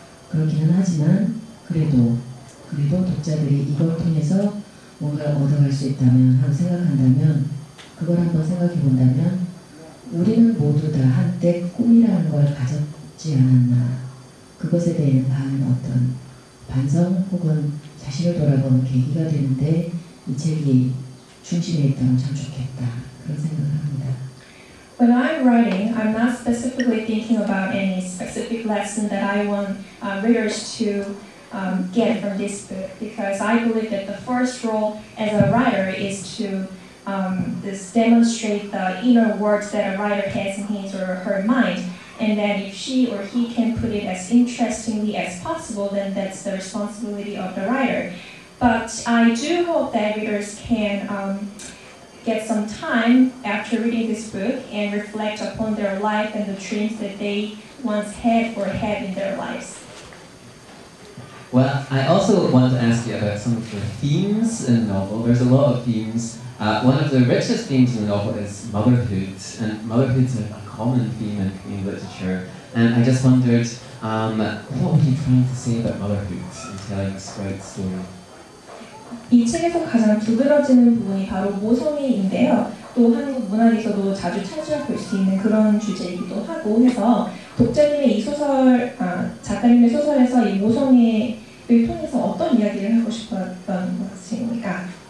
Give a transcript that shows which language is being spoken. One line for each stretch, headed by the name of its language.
Korean: 그렇기는 하지만 그래도 독자들이 이걸 통해서 뭔가 얻어갈 수 있다면 하고 생각한다면 그걸 한번 생각해 본다면 우리는 모두 다 한때 꿈이라는 걸 가졌지 않았나 그것에 대한 어떤 반성 혹은 자신을 돌아보는 계기가 되는데 이 책이 중심에 있다면 참 좋겠다 그런 생각을 합니다.
English: When I'm writing, I'm not specifically thinking about any specific lesson that I want readers to get from this book, because I believe that the first role as a writer is to demonstrate the inner words that a writer has in his or her mind, and that if she or he can put it as interestingly as possible, then that's the responsibility of the writer. But I do hope that readers can get some time after reading this book and reflect upon their life and the dreams that they once had or have in their lives. Well, I also wanted to ask you about some of the themes in the novel. There's a lot of themes. One of the richest themes in the novel is motherhood, and motherhood's a common theme in Korean literature. And I just wondered, what were you trying to say about motherhood in telling Sprite's story?
Korean: 이 책에서 가장 두드러지는 부분이 바로 모성애인데요. 또 한국 문학에서도 자주 차지하고 있을 수 있는 그런 주제이기도 하고 해서 독자님의 이 소설, 작가님의 소설에서 이 모성애를 통해서 어떤 이야기를 하고 싶었던 것입니까?